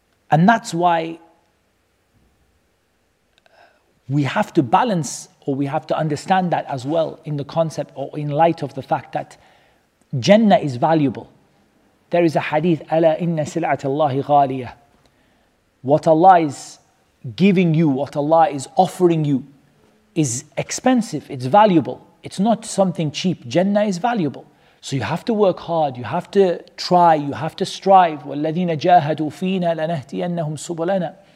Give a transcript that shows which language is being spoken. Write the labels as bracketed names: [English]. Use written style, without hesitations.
[English] And that's why we have to balance, or we have to understand that as well, in the concept or in light of the fact that Jannah is valuable. There is a hadith, [Arabic] أَلَا إِنَّ سِلْعَةَ اللَّهِ غَالِيَةً. [English] What Allah is giving you, what Allah is offering you, is expensive, it's valuable. It's not something cheap. Jannah is valuable. So you have to work hard, you have to try, you have to strive. [Arabic] وَالَّذِينَ جَاهَدُوا فِينَا لَنَهْدِيَنَّهُمْ سُبُلَنَا.